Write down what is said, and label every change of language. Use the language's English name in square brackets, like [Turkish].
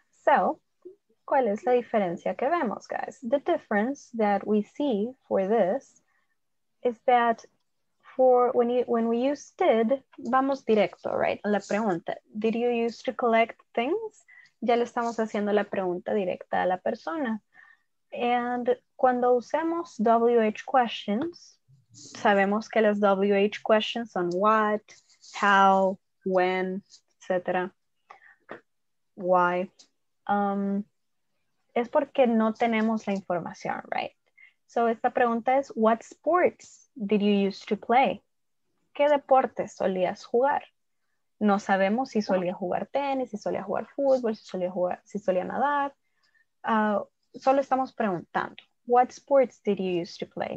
[Spanish] So, ¿cuál es la diferencia que vemos, guys? [English] The difference that we see for this is that when we use did, [Spanish] vamos directo, [English] right? [Spanish] La pregunta, [English] did you use to collect things? [Spanish] Ya le estamos haciendo la pregunta directa a la persona. And cuando usemos WH questions, sabemos que las WH questions son what, how, when, etc. Why. Es porque no tenemos la información, [English] right? So [Spanish] esta pregunta es, [English] what sports did you used to play? [Spanish] ¿Qué deportes solías jugar? No sabemos si solía jugar tenis, si solía jugar fútbol, si solía nadar. Solo estamos preguntando, [English] what sports did you used to play?